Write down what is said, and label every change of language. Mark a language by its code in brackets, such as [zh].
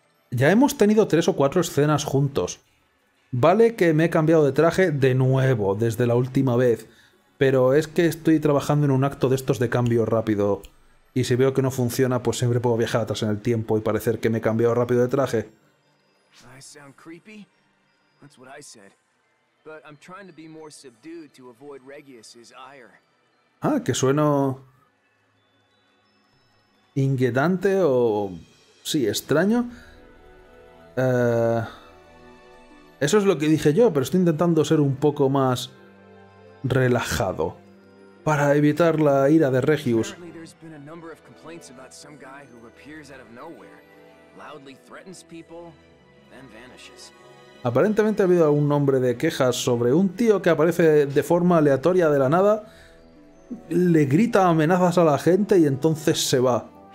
[es] Ya hemos tenido tres o cuatro escenas juntos. Vale que me he cambiado de traje de nuevo desde la última vez, pero es que estoy trabajando en un acto de estos de cambio rápido. Y si veo que no funciona, pues siempre puedo viajar atrás en el tiempo y parecer que me he cambiado rápido de traje. [en] Sound creepy? That's what I said. But I'm trying to be more subdued to avoid Regius's ire. [es] Ah, que sueno inquietante o sí, extraño. Eso es lo que dije yo, pero estoy intentando ser un poco más relajado para evitar la ira de Regius. [en] there's been a number of complaints about some guy who appears out of nowhere, loudly threatens people, then vanishes. [es] Aparentemente ha habido algún nombre de quejas sobre un tío que aparece de forma aleatoria de la nada, le grita amenazas a la gente y entonces se va.